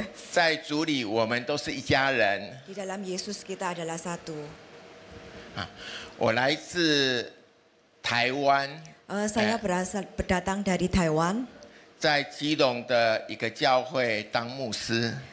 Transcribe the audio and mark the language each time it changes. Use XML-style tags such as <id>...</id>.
<zh>在主里我们都是一家人.</zh> <id>Di dalam Yesus kita adalah satu.</id> <zh>我来自台湾.</zh> <id>Saya berasal berdatang dari Taiwan.</id> <zh>在基隆的一个教会当牧师.</zh>